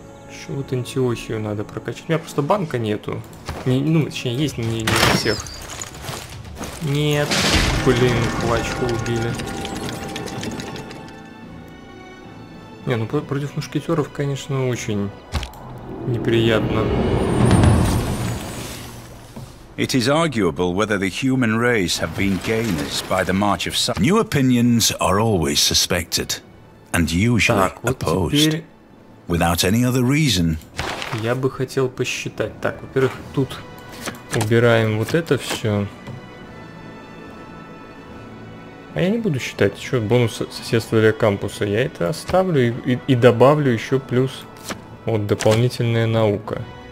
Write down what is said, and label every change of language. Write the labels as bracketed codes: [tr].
[ru] Еще вот Антиохию надо прокачать. У меня просто банка нету. Не, ну, точнее, есть, не у всех. Нет. Блин, квачку убили. Не, ну против мушкетеров, конечно, очень неприятно. [en] It is arguable whether the human race have been gainers by the march of science. New opinions are always suspected. And usually [ru] так, вот [en] opposed. [ru] Теперь... [en] Without any other reason. [ru] Я бы хотел посчитать. Так, во-первых, тут убираем вот это все. А я не буду считать еще бонус соседства для кампуса. Я это оставлю и добавлю еще плюс вот дополнительная наука.